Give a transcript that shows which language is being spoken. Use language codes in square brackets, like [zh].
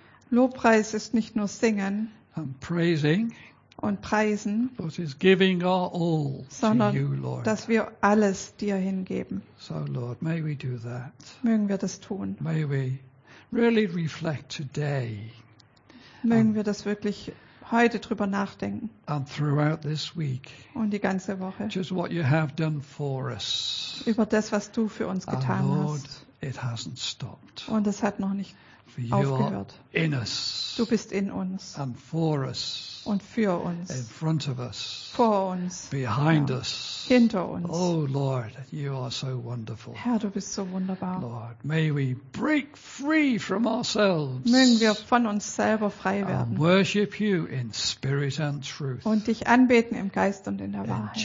[de] Lobpreis ist nicht nur singen. [en] And praising. [de] Und preisen. [en] But is giving our all [de] sondern, [en] to you, Lord. [de] Dass wir alles dir hingeben. [en] So, Lord, may we do that. [de] Mögen wir das tun. [en] May we really reflect today. [de] Mögen wir das wirklich heute drüber nachdenken. [en] And throughout this week, [de] und die ganze Woche. [en] Just what you have done for us. [de] Über das, was du für uns getan [en] Lord, [de] hast. [en] It hasn't stopped. [de] Und es hat noch nicht [en] for [de] aufgehört. [en] In us. [de] Du bist in uns. [en] And for us. [de] Und für uns. [en] In front of us. [de] Vor uns. [en] Behind us. [de] Hinter uns. [en] Oh Lord, you are so wonderful. [de] Herr, du bist so wunderbar. [en] Lord, may we break free from ourselves. [de] Mögen wir von uns selber frei werden. [en] And worship you in spirit and truth. [de] Und dich anbeten im Geist und in der Wahrheit.